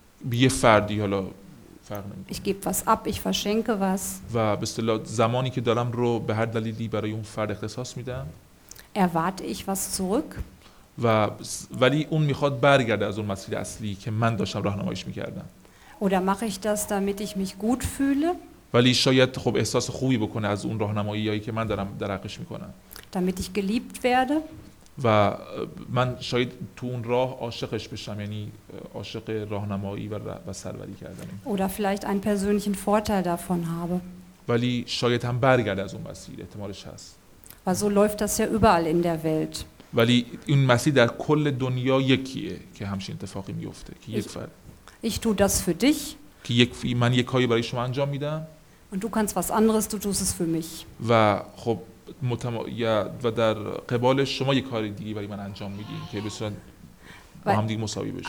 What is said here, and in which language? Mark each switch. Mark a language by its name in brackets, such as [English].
[Persian] به یه فردی حالا فرق نمیکنه. [German] Ich gebe was ab, ich verschenke was. [Persian] و به اصطلاح زمانی که دارم رو به هر دلیلی برای اون فرد اختصاص میدم. [German] Erwarte ich was zurück? [Persian] و ولی اون میخواد برگرده از اون مسیر اصلی که من داشتم راهنماییش میکردم. [German] Oder mache ich das, damit ich mich gut fühle? [Persian] ولی شاید خب احساس خوبی بکنه از اون راهنمایی که من دارم در حقش میکنم. [German] Damit ich geliebt werde? [Persian] و من شاید تو اون راه عاشقش بشم، یعنی عاشق راهنمایی و سروری کردن. [German] Oder vielleicht einen persönlichen Vorteil davon habe. [Persian] ولی شاید هم برگرده از اون مسیر، احتمالش هست. [German] و so läuft das ja überall in der Welt. [Persian] ولی این مسیر در کل دنیا یکیه که همچین اتفاقی میفته که یک فرد. [German] Ich tue das für dich. [Persian] که یک من یک کاری برای شما انجام میدم. [German] Und du kannst was anderes, du tust es für mich. [Persian] و خب و در قبال شما یک کار دیگه برای من انجام میدین که به صورت با هم دیگه مساوی بشه.